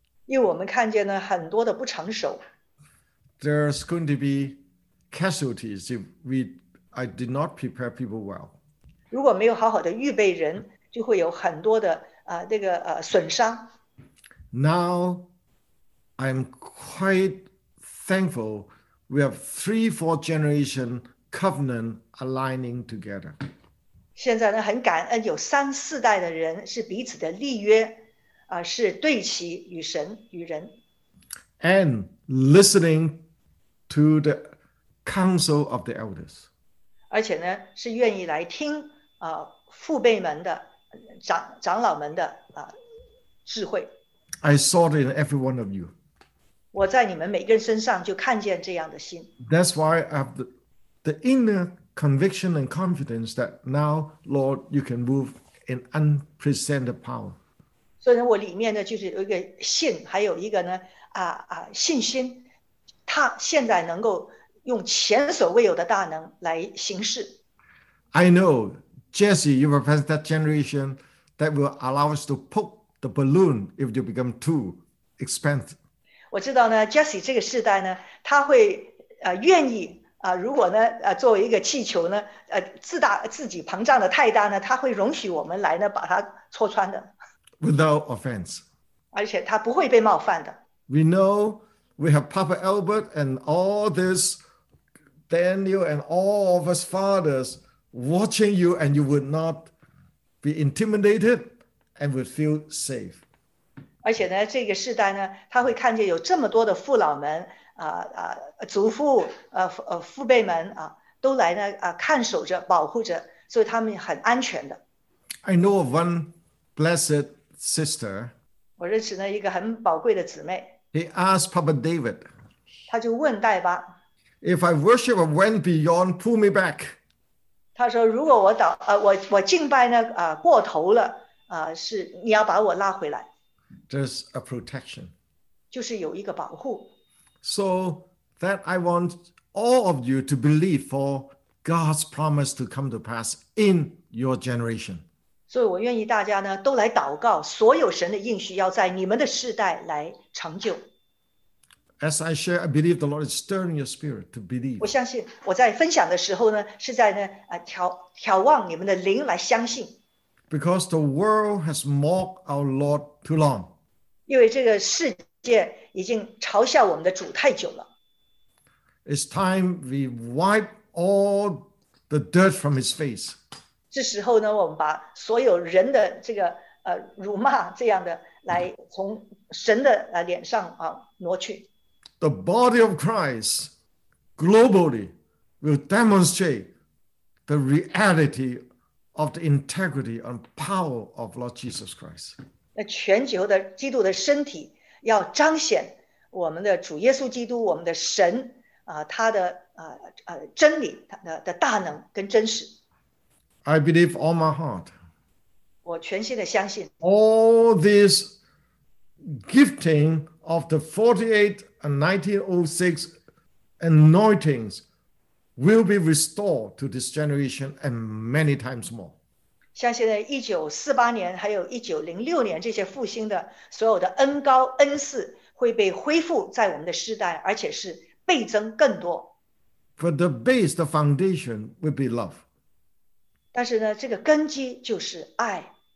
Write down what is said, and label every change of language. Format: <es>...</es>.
<zh>因为我们看见呢很多的不成熟。</zh> <en>There's going to be casualties if I did not prepare people well.</en> <zh>如果没有好好的预备人，就会有很多的损伤。</zh> <en>Now I'm quite thankful we have three, four generation covenant aligning together.</en> <zh>现在呢很感恩有三四代的人是彼此的立约。是对齐与神与人</zh> <en>，and listening to the counsel of the elders，</en> <zh>而且呢是愿意来听父辈们的长老们的智慧。</zh> <en>I saw it in every one of you。</en> <zh>我在你们每个人身上就看见这样的心。</zh> <en>That's why I have the inner conviction and confidence that now, Lord, you can move in unprecedented power。</en> <zh>所以呢，我里面呢就是有一个信，还有一个呢信心，他现在能够用前所未有的大能来行事。</zh> <en>I know Jesse, you represent that generation that will allow us to poke the balloon if you become too expensive.</en> <zh>我知道呢 ，Jesse 这个世代呢，他会愿意如果呢作为一个气球呢自己膨胀的太大呢，他会容许我们来呢把它戳穿的。</zh> <en>Without offense.</en> <zh>而且他不会被冒犯的。</zh> <en>We know we have Papa Albert and all this Daniel and all of us fathers watching you and you would not be intimidated and would feel safe.</en> <zh>而且呢这个世代呢他会看见有这么多的父老们祖父父辈们都来呢看守着保护着所以他们很安全的。</zh> <en>I know of one blessed sister,</en> <zh>我认识了一个很宝贵的姊妹。</zh> <en>He asked Papa David,</en> <zh>他就问戴巴,</zh> <en>If I worship and went beyond, pull me back.</en> <zh>他说如果 我敬拜呢、过头了、是你要把我拉回来。</zh> <en>There's a protection.</en> <zh>就是有一个保护。</zh> <en>So that I want all of you to believe for God's promise to come to pass in your generation.</en> <zh>所以我愿意大家呢都来祷告，所有神的应许要在你们的世代来成就。</zh> <en>As I share, I believe the Lord is stirring your spirit to believe.</en> <zh>我相信我在分享的时候呢，是在呢眺望你们的灵来相信。</zh> <en>Because the world has mocked our Lord too long.</en> <zh>因为这个世界已经嘲笑我们的主太久了。</zh> <en>It's time we wipe all the dirt from his face.</en> <zh>这时候呢，我们把所有人的这个辱骂这样的来从神的脸上啊挪去。</zh> <en>The body of Christ globally will demonstrate the reality of the integrity and power of Lord Jesus Christ.</en> <zh>那全球的基督的身体要彰显我们的主耶稣基督，我们的神啊，他的真理的大能跟真实。</zh> <en>I believe all my heart.</en> <zh>我全心的相信。</zh> <en>All this gifting of the 48 and 1906 anointings will be restored to this generation and many times more.</en> <zh>像现在1948年还有1906年这些复兴的所有的恩高恩赐会被恢复在我们的世代，而且是倍增更多。</zh> <en>But the base, the foundation will be love.</en> <zh>但是呢，这个根基就是爱。</zh>